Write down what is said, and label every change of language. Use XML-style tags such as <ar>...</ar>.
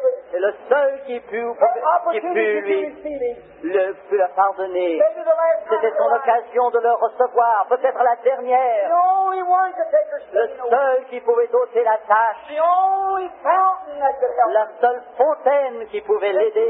<fr>C'est le seul qui put lui le plus la pardonner. C'était son occasion de le recevoir, peut-être la dernière. Le seul qui pouvait ôter la tâche.</fr> <en>The only fountain that could help.</en> <fr>La seule fontaine qui pouvait l'aider.</fr>